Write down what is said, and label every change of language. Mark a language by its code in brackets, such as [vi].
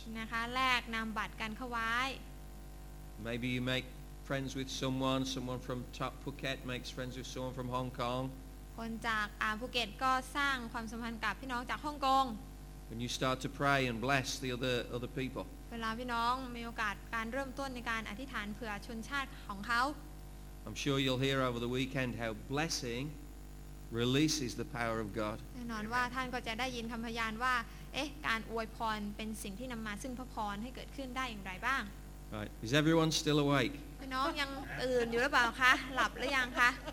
[th] นะคะแลกนามบัตรกันเข้าไว้ [en] Maybe you make friends with someone. Someone from Phuket makes friends with someone from Hong Kong. [th] คนจากภูเก็ตก็สร้างความสัมพันธ์กับพี่น้องจากฮ่องกง [en] When you start to pray and bless the other people. [th] เวลาพี่น้องมีโอกาสการเริ่มต้นในการอธิษฐานเผื่อชนชาติของเขา [en] I'm sure you'll hear over the weekend how blessing releases the power of God. [th] แน่นอนว่าท่านก็จะได้ยินคำพยานว่าเอ๊ะการอวยพรเป็นสิ่งที่นำมาซึ่งพระพรให้เกิดขึ้นได้อย่างไรบ้าง [en] Right. Is everyone still awake? [th] พี่น้องยังตื่นอยู่หรือเปล่าคะหลับหรือยังคะ